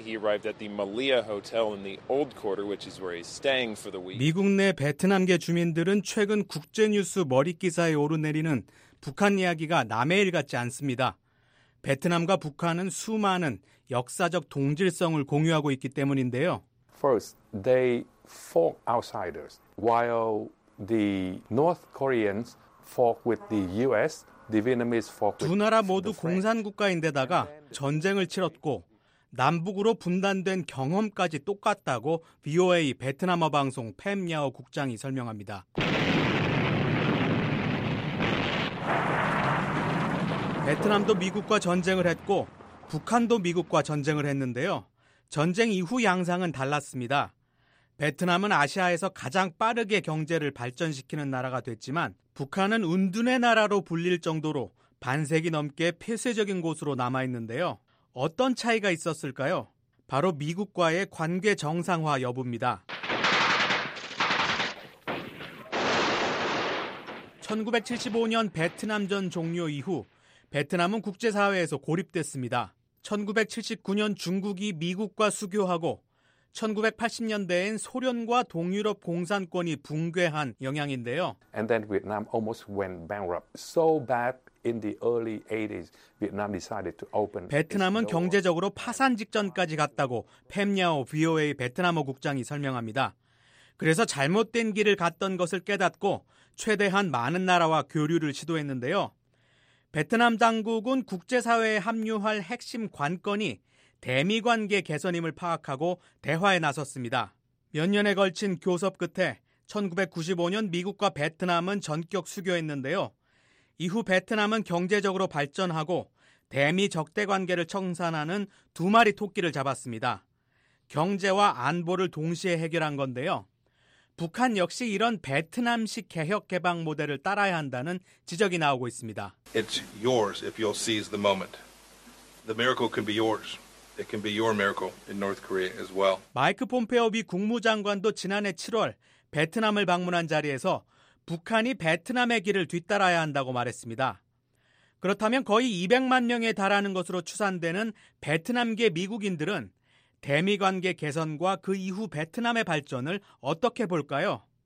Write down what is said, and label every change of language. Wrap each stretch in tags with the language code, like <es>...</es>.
<en>He arrived at the Malia Hotel in the Old Quarter, which is where he's staying for the week.</en> <ko>미국 내 베트남계 주민들은 최근 국제뉴스 머릿기사에 오르내리는 북한 이야기가 남의 일 같지 않습니다. 베트남과 북한은 수많은 역사적 동질성을 공유하고 있기 때문인데요.</ko> <en>First, they fought outsiders. While the North Koreans fought with the U.S., the Vietnamese fought with the French.</en> <ko>두 나라 모두 공산 국가인데다가 전쟁을 치렀고 남북으로 분단된 경험까지 똑같다고 VOA 베트남어 방송 팸 야오 국장이 설명합니다. 베트남도 미국과 전쟁을 했고 북한도 미국과 전쟁을 했는데요. 전쟁 이후 양상은 달랐습니다. 베트남은 아시아에서 가장 빠르게 경제를 발전시키는 나라가 됐지만 북한은 은둔의 나라로 불릴 정도로 반세기 넘게 폐쇄적인 곳으로 남아있는데요. 어떤 차이가 있었을까요? 바로 미국과의 관계 정상화 여부입니다. 1975년 베트남전 종료 이후 베트남은 국제사회에서 고립됐습니다. 1979년 중국이 미국과 수교하고 1980년대엔 소련과 동유럽 공산권이 붕괴한 영향인데요.</ko> <en>And then Vietnam almost went bankrupt. So bad in the early 80s, Vietnam decided to open.</en> <ko>베트남은 경제적으로 파산 직전까지 갔다고 팸 야오 VOA 베트남어 국장이 설명합니다. 그래서 잘못된 길을 갔던 것을 깨닫고 최대한 많은 나라와 교류를 시도했는데요. 베트남 당국은 국제사회에 합류할 핵심 관건이 대미 관계 개선임을 파악하고 대화에 나섰습니다. 몇 년에 걸친 교섭 끝에 1995년 미국과 베트남은 전격 수교했는데요. 이후 베트남은 경제적으로 발전하고 대미 적대 관계를 청산하는 두 마리 토끼를 잡았습니다. 경제와 안보를 동시에 해결한 건데요. 북한 역시 이런 베트남식 개혁 개방 모델을 따라야 한다는 지적이 나오고 있습니다.</ko> <en>It's yours if you'll seize the moment. The miracle can be yours. It can be your miracle in North Korea as well.</en> <ko>마이크 폼페오 미 국무장관도 지난해 7월 베트남을 방문한 자리에서 북한이 베트남의 길을 뒤따라야 한다고 말했습니다. 그렇다면 거의 200만 명에 달하는 것으로 추산되는 베트남계 미국인들은 대미 관계 개선과 그 이후 베트남의 발전을 어떻게 볼까요?</ko>